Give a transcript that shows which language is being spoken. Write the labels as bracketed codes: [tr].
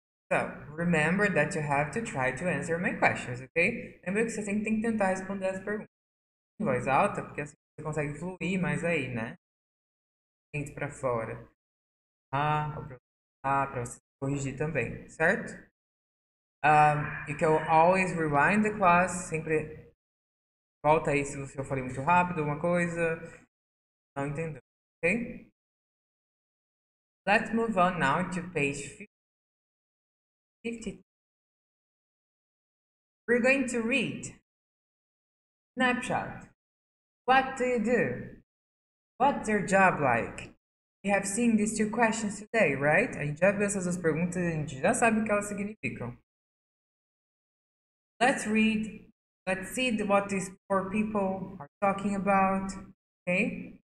[en] So, remember that you have to try to answer my questions, okay? [pt] Lembra que você tem que tentar responder as perguntas em voz alta, porque assim você consegue fluir mais aí, né? Entra pra fora. Pra você corrigir também, certo? [en] You can always rewind the class, [pt] sempre... Volta aí se eu falei muito rápido, uma coisa. Não entendo, ok? [en] Let's move on now to page 50. We're going to read. Snapshot. What do you do? What's your job like? You have seen these two questions today, right? [pt] A gente já viu essas duas perguntas e a gente já sabe o que elas significam. [en] Let's read. Let's see what these four people are talking about, okay?